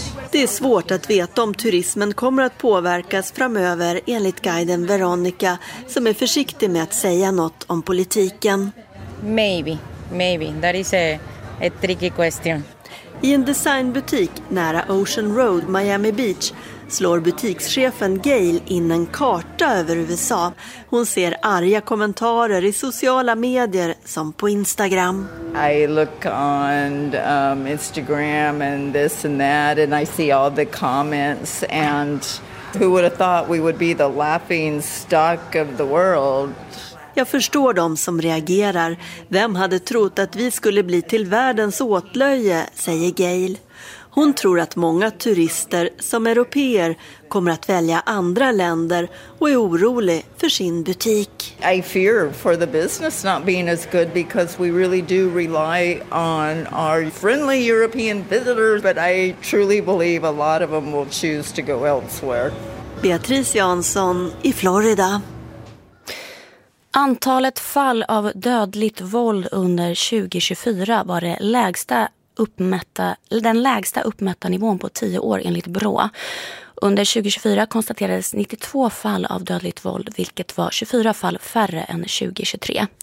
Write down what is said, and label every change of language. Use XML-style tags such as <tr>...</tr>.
<sv>Det är svårt att veta om turismen kommer att påverkas framöver enligt guiden Veronica, som är försiktig med att säga något om politiken.</sv> <en>Maybe. That is a tricky question.</en> <sv>I en designbutik nära Ocean Road, Miami Beach, slår butikschefen Gail in en karta över USA. Hon ser arga kommentarer i sociala medier som på Instagram.</sv> <en>I look on Instagram and this and that and I see all the comments and who would have thought we would be the laughing stock of the world.</en> <sv>Jag förstår de som reagerar. Vem hade trott att vi skulle bli till världens åtlöje, säger Gail. Hon tror att många turister som europeer kommer att välja andra länder och är orolig för sin butik.</sv> <en>I fear for the business not being as good because we really do rely on our friendly European visitors, but I truly believe a lot of them will choose to go elsewhere.</en> <sv>Beatrice Jansson i Florida. Antalet fall av dödligt våld under 2024 var det lägsta uppmätta nivån på 10 år enligt Brå. Under 2024 konstaterades 92 fall av dödligt våld, vilket var 24 fall färre än 2023.</sv>